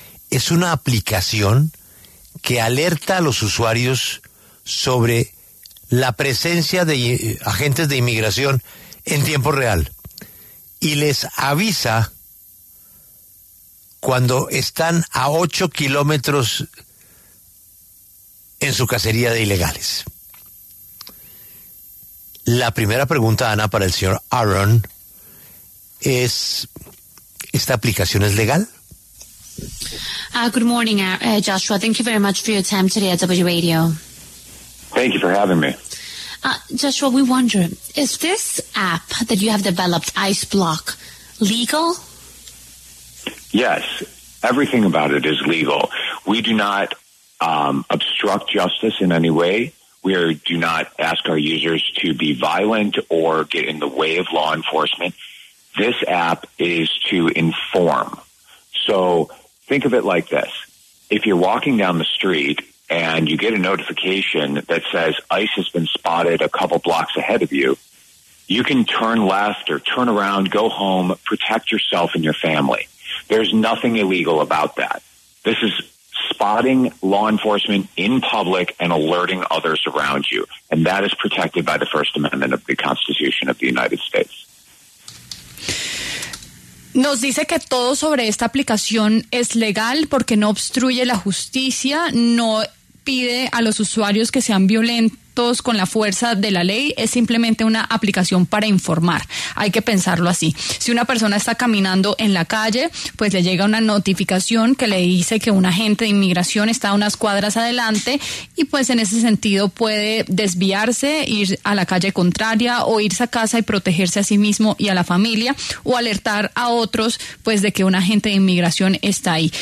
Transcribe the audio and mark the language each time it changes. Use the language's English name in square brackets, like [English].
[Spanish] Es una aplicación que alerta a los usuarios sobre la presencia de agentes de inmigración en tiempo real y les avisa cuando están a 8 kilómetros en su cacería de ilegales. La primera pregunta, Ana, para el señor Aaron es: ¿esta aplicación es legal? [English] Good morning, Joshua. Thank you very much for your time today at W Radio. Thank you for having me. Joshua, we wonder, is this app that you have developed, ICE Block, legal? Yes, everything about it is legal. We do not obstruct justice in any way. We do not ask our users to be violent or get in the way of law enforcement. This app is to inform. So think of it like this. If you're walking down the street and you get a notification that says ICE has been spotted a couple blocks ahead of you, you can turn left or turn around, go home, protect yourself and your family. There's nothing illegal about that. This is spotting law enforcement in public and alerting others around you. And that is protected by the First Amendment of the Constitution of the United States. [Spanish] Nos dice que todo sobre esta aplicación es legal porque no obstruye la justicia, no pide a los usuarios que sean violentos con la fuerza de la ley, es simplemente una aplicación para informar. Hay que pensarlo así. Si una persona está caminando en la calle, pues le llega una notificación que le dice que un agente de inmigración está a unas cuadras adelante y pues en ese sentido puede desviarse, ir a la calle contraria o irse a casa y protegerse a sí mismo y a la familia o alertar a otros pues de que un agente de inmigración está ahí.